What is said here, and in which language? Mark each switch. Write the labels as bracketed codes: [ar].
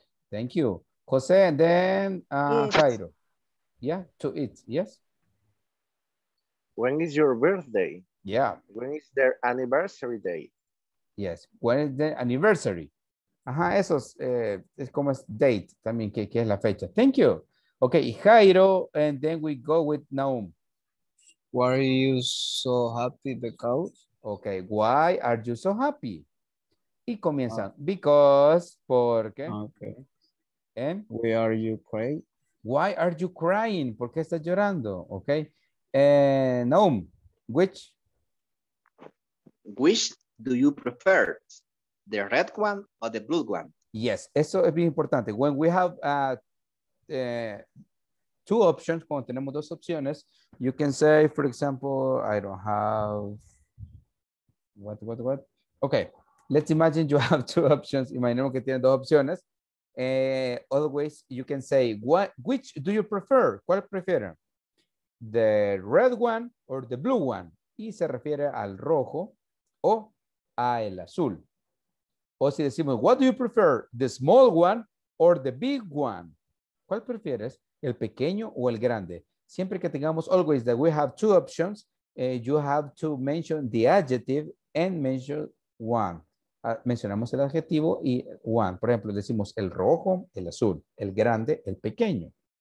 [en] Thank you. Jose, and then Jairo. Yeah, to eat, yes. When is your birthday? Yeah. When is their anniversary day? Yes, when is the anniversary? [es] Ajá, eso es, es como es date, también que es la fecha. [en] Thank you. Okay, Jairo, and then we go with Naum. Why are you so happy because? Okay, why are you so happy? [es] Y comienzan, [en] because, porque. Okay. And? Why are you crying? Why are you crying? [es] ¿Por qué estás llorando? [en] Okay. Naum, which? Which do you prefer? The red one or the blue one? Yes, [es] eso es bien importante. [en] When we have two options, [es] cuando tenemos dos opciones, [en] you can say, for example, I don't have... What? Okay, let's imagine you have two options. [es] Imaginemos que tienen dos opciones. [en] Always you can say, which do you prefer? [es] ¿Cuál prefieren? [en] The red one or the blue one? [es] Y se refiere al rojo o a el azul. [en] O si decimos, what do you prefer, the small one or the big one? [es] ¿Cuál prefieres, el pequeño o el grande? Siempre que tengamos [en] always that we have two options, you have to mention the adjective and mention one. [es] Mencionamos el adjetivo y one. Por ejemplo, decimos el rojo, el azul, el grande, el pequeño.